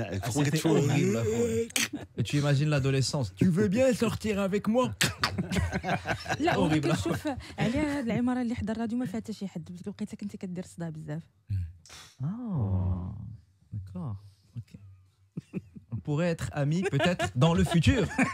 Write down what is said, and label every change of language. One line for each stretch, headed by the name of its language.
French: c'était horrible et tu imagines l'adolescence tu veux bien sortir avec moi
Arabic: لا horrible شوف علي هاد العماره اللي حضر الراديو ما فيها حتى شي حد لقيتك انت كدير صداع بزاف
French: Oh, d'accord. Okay. On pourrait être amis peut-être dans le futur.